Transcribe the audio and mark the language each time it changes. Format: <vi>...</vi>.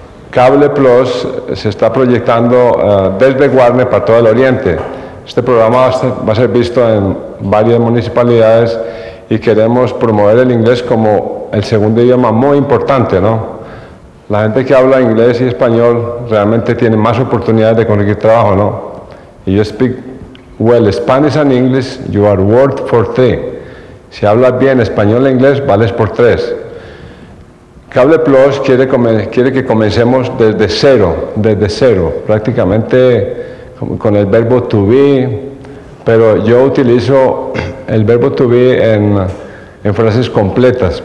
<es>Cable Plus se está proyectando desde Guarne para todo el Oriente. Este programa va a ser visto en varias municipalidades y queremos promover el inglés como el segundo idioma muy importante, ¿no? La gente que habla inglés y español realmente tiene más oportunidades de conseguir trabajo, ¿no?</es> <en>If you speak well Spanish and English, you are worth for three.</en> <es>Si hablas bien español e inglés, vales por tres. Cable Plus quiere que comencemos desde cero, prácticamente con el verbo to be, pero yo utilizo el verbo to be en frases completas.</es>